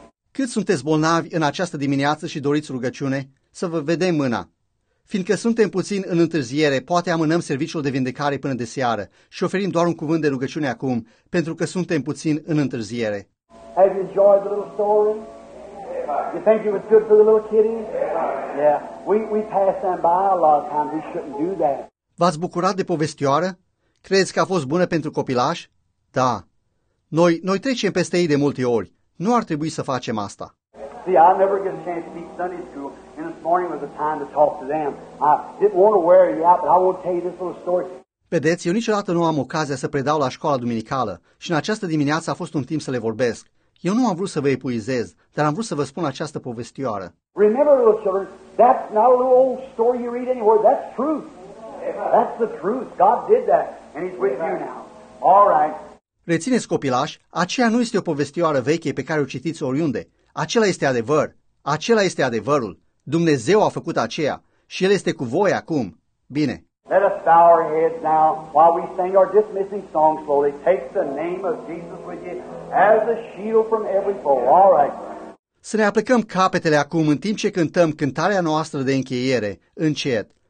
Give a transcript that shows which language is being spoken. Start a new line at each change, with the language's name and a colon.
Romanian: Cât sunteți bolnavi în această dimineață și doriți rugăciune? Să vă vedem mâna. Fiindcă suntem puțin în întârziere, poate amânăm serviciul de vindecare până de seară și oferim doar un cuvânt de rugăciune acum, pentru că suntem puțin în întârziere.
English: Have you enjoyed the little story? You think it was good for the little kiddies? Yeah. We pass them by a lot of times. We shouldn't do that.
Romanian: V-ați bucurat de povestioară? Credeți că a fost bună pentru copilași? Da. Noi trecem peste ei de multe ori. Nu ar trebui să facem asta.
English: See, I never get a chance to teach Sunday school, and this morning was the time to talk to them. I didn't want to wear you out, but I want to tell you this little story.
Romanian: Vedeți, eu niciodată nu am ocazia să predau la școala duminicală și în această dimineață a fost un timp să le vorbesc. Eu nu am vrut să vă epuizez, dar am vrut să vă spun această povestioară.
English: Remember, little children, that's not a little old story you read anywhere. That's truth. That's the truth. God did that, and He's with you now. All right.
Romanian: Rețineți, copilași, aceea nu este o povestioară veche pe care o citiți oriunde. Acela este adevăr. Acela este adevărul. Dumnezeu a făcut aceea și El este cu voi acum. Bine.
English: Let us bow our heads now while we sing our dismissing song slowly. Take the name of Jesus with you as a shield from every foe. All right.
Romanian: Să ne aplicăm capetele acum în timp ce cântăm cântarea noastră de încheiere, încet.